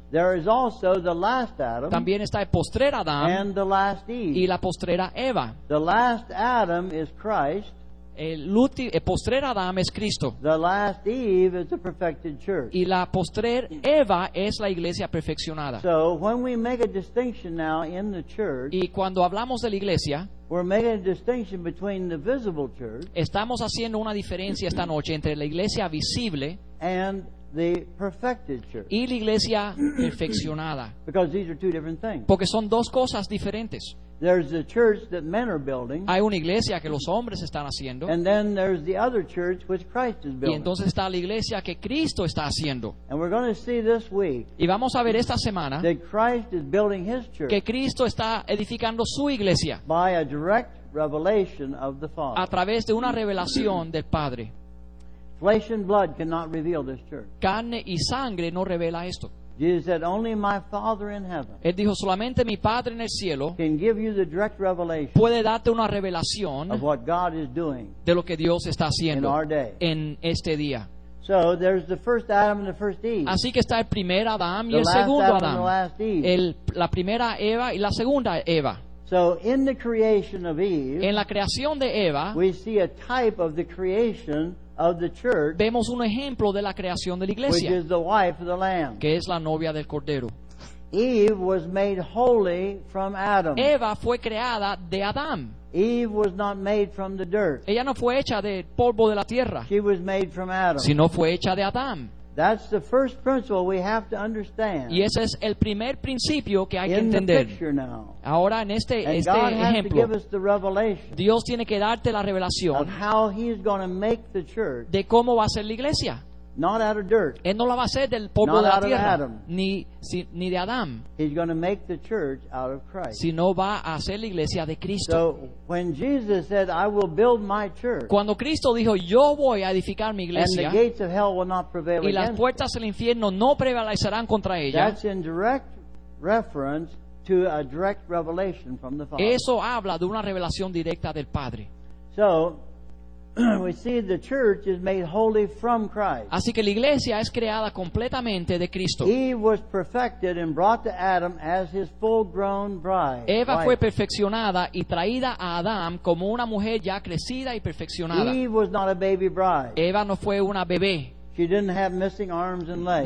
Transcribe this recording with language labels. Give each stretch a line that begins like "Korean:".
English: There is also the last Adam.
Spanish: También está el postrer Adán.
English: And the last Eve.
Spanish: Y la postrera Eva.
English: The last Adam is Christ.
Spanish: El postrer Adán es Cristo.
English: The last Eve is the perfected church.
Spanish: Y la postrer Eva es la iglesia perfeccionada.
English: So when we make a distinction now in the church.
Spanish: Y cuando hablamos de la iglesia.
English: We're making a distinction between the visible church.
Spanish: Estamos haciendo una diferencia esta noche entre la iglesia visible.
English: And the perfected church.
Spanish: Y la iglesia perfeccionada.
English: Because these are two different things.
Spanish: Porque son dos cosas diferentes.
English: There's the church that men are building.
Spanish: Hay una iglesia que los hombres están haciendo.
English: And then there's the other church which Christ is building.
Spanish: Y entonces está la iglesia que Cristo está haciendo.
English: And we're going to see this week.
Spanish: Y vamos a ver esta semana.
English: That Christ is building his church.
Spanish: Que Cristo está edificando su iglesia.
English: By a direct revelation of the Father.
Spanish: A través de una revelación del Padre.
English: Flesh and blood cannot reveal this church.
Spanish: Carne y sangre no revela esto.
English: Jesus said, "Only my Father in heaven."
Spanish: Él dijo, solamente mi Padre en el cielo
English: can give you the direct revelation.
Spanish: Puede darte una revelación
English: of what God is doing.
Spanish: De lo que Dios está haciendo
English: in our day.
Spanish: En este día.
English: So there's the first Adam and the first Eve.
Spanish: Así que está el primer Adán y
English: the
Spanish: el segundo Adán.
English: The last Adam and the last Eve.
Spanish: La primera Eva y la segunda Eva.
English: So in the creation of Eve,
Spanish: en la creación de Eva,
English: we see a type of the creation of the church.
Spanish: Vemos un ejemplo de la creación de la iglesia,
English: which is the wife of the Lamb.
Spanish: Que es la novia del cordero.
English: Eve was made holy from Adam.
Spanish: Eva fue creada de Adán.
English: Eve was not made from the dirt.
Spanish: Ella no fue hecha de polvo de la tierra.
English: She was made from Adam.
Spanish: Sino fue hecha de Adán.
English: That's the first principle we have to understand.
Spanish: Y ese es el primer principio que hay que entender.
English: In the picture now.
Spanish: Ahora en este
English: God
Spanish: ejemplo.
English: Has to give us the revelation.
Spanish: Dios tiene que darte la revelación.
English: Of how he's going to make the church.
Spanish: De cómo va a ser la iglesia.
English: Not out of dirt.
Spanish: Él no la va a hacer del polvo
English: not
Spanish: de la tierra.
English: Not out of Adam.
Spanish: Ni de Adán.
English: He's going to make the church out of Christ.
Spanish: Sino va a hacer la iglesia de Cristo.
English: So when Jesus said, "I will build my church."
Spanish: Cuando Cristo dijo, "Yo voy a edificar mi iglesia."
English: And the gates of hell will not prevail against it.
Spanish: Y las puertas del infierno no prevalecerán contra ella.
English: That's in direct reference to a direct revelation from the Father.
Spanish: Eso habla de una revelación directa del Padre.
English: So, we see the church is made holy from Christ.
Spanish: Así que la iglesia es creada completamente de Cristo.
English: Eve was perfected and brought to Adam as his full-grown bride.
Spanish: Eva fue perfeccionada y traída a Adán como una mujer ya crecida y perfeccionada.
English: Eve was not a baby bride.
Spanish: Eva no fue una bebé.
English: She didn't have missing arms and legs.